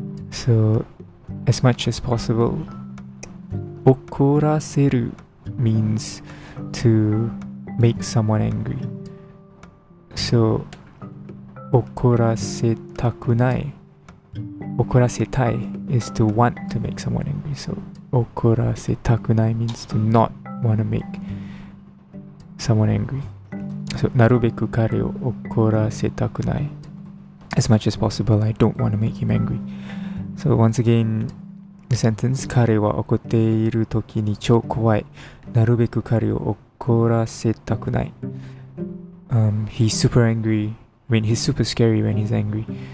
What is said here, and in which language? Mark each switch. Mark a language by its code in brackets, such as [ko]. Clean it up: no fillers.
[en] So as much as possible. Okoraseru means to make someone angry. So, 怒らせたい is to want to make someone angry. So, 怒らせたくない means to not want to make someone angry. [ja] So, なるべく彼を怒らせたくない. [en] As much as possible, I don't want to make him angry. So, once again, the sentence, [ja] 彼は怒っている時に超怖い. なるべく彼を怒らせたくない. [en] He's super angry. I mean, he's super scary when he's angry.